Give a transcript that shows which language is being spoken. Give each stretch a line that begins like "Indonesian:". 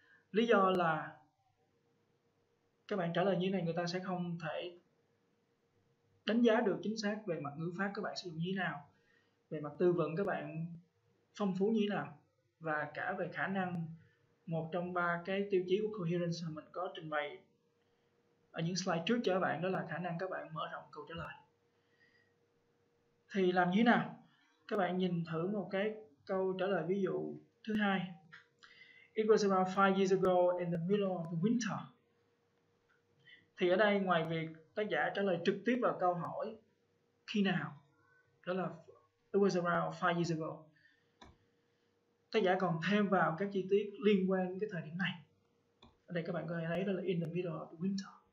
Vietnamese: Lý do là các bạn trả lời như thế này, người ta sẽ không thể đánh giá được chính xác về mặt ngữ pháp các bạn sử dụng như thế nào, về mặt tư vấn các bạn phong phú như thế nào, và cả về khả năng. Một trong ba cái tiêu chí của coherence mà mình có trình bày ở những slide trước cho các bạn, đó là khả năng các bạn mở rộng câu trả lời. Thì làm như thế nào? Các bạn nhìn thử một cái câu trả lời ví dụ thứ hai.
English: It was around 5 years ago in the middle of the winter.
Vietnamese: Thì ở đây ngoài việc tác giả trả lời trực tiếp vào câu hỏi khi nào, đó là
English: it was around 5 years ago,
Vietnamese: tác giả còn thêm vào các chi tiết liên quan đến cái thời điểm này. Ở đây các bạn có thể thấy đó là
English: in the middle of winter.